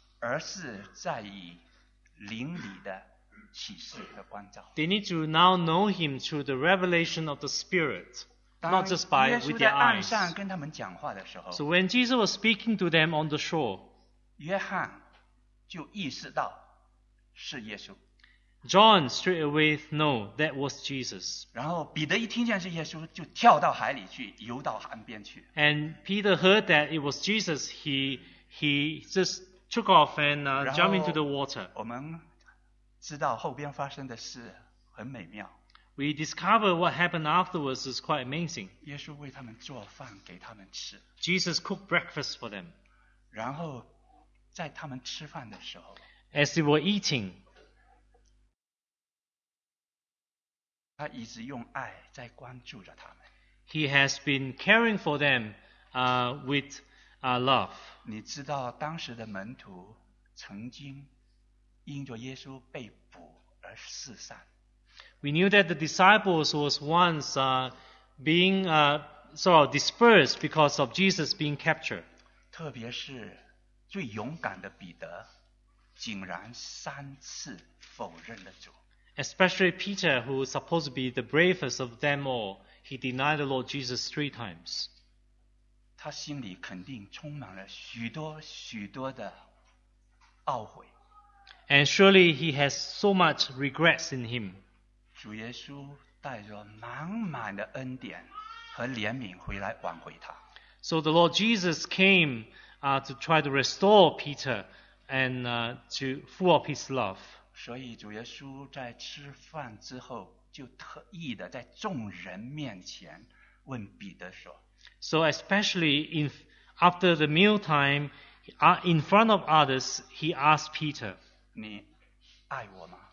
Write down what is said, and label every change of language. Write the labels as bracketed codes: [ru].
[zh] 而是在以灵里的启示和光照。 [en] They need to now know him through the revelation of the Spirit. Not just by with their eyes. [zh] 当耶稣在岸上跟他们讲话的时候， [en] So when Jesus was speaking to them on the shore, [zh] 约翰就意识到是耶稣。 [en] John straight away knew that was Jesus. [zh] 然后彼得一听见是耶稣，就跳到海里去，游到岸边去。 [en] And Peter heard that it was Jesus, he just took off and jumped into the water. [zh] 我们知道后边发生的事很美妙。 [en] We discover what happened afterwards is quite amazing. [zh] 耶稣为他们做饭给他们吃。 [en] Jesus cooked breakfast for them. [zh] 然后在他们吃饭的时候， [en] As they were eating, [zh] 他一直用爱在关注着他们。 [en] He has been caring for them with love. [zh] 你知道当时的门徒曾经因着耶稣被捕而四散。 [en] We knew that the disciples was once being dispersed because of Jesus being captured. [zh] 特别是最勇敢的彼得竟然三次否认了主。 [en] Especially Peter, who was supposed to be the bravest of them all, he denied the Lord Jesus 3 times. [zh] 他心里肯定充满了许多许多的懊悔。 [en] And surely he has so much regrets in him. [zh] 主耶稣带着满满的恩典和怜悯回来挽回他。 [en] So the Lord Jesus came to try to restore Peter and to full up his love. [zh] 所以主耶稣在吃饭之后就特意的在众人面前问彼得说。 [en] So especially after the meal time, in front of others, he asked Peter, [zh] 你爱我吗？